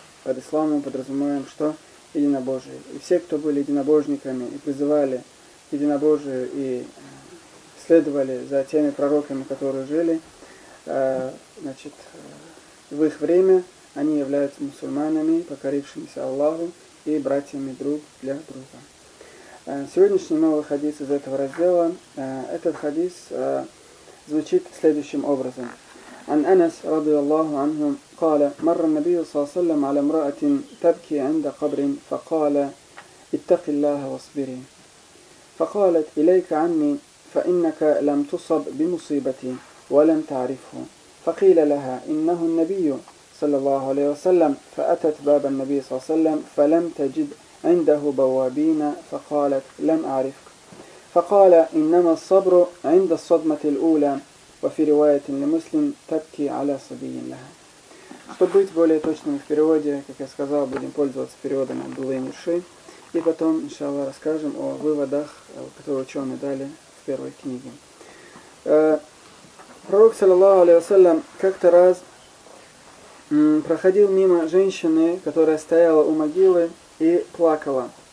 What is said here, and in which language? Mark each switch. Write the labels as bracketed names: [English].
[Russian] Под исламом подразумеваем что? Единобожие. И все, кто были единобожниками и призывали единобожие и следовали за теми пророками, которые жили в их время, они являются мусульманами, покорившимися Аллаху, и братьями друг для друга. Сегодняшний новый хадис из этого раздела, этот хадис звучит следующим образом. [Arabic] عن أنس رضي الله عنه قال مر النبي صلى الله عليه وسلم على امرأة تبكي عند قبر فقال اتق الله واصبري فقالت إليك عني فإنك لم تصب بمصيبتي ولم تعرفه فقيل لها إنه النبي صلى الله عليه وسلم فأتت باب النبي صلى الله عليه وسلم فلم تجد عنده بوابين فقالت لم أعرفك فقال إنما الصبر عند الصدمة الأولى وفي رواية لمسلم تبكي على صبي لها. [Russian] Чтобы быть более точным в переводе, как я сказал, будем пользоваться переводом Абдуллы Мирши, и потом, иншаллах, расскажем о выводах, которые ученые дали в первой книге. Пророк, саллаллаху алейхи ва саллям, как-то раз проходил мимо женщины, которая стояла у могилы и плакала.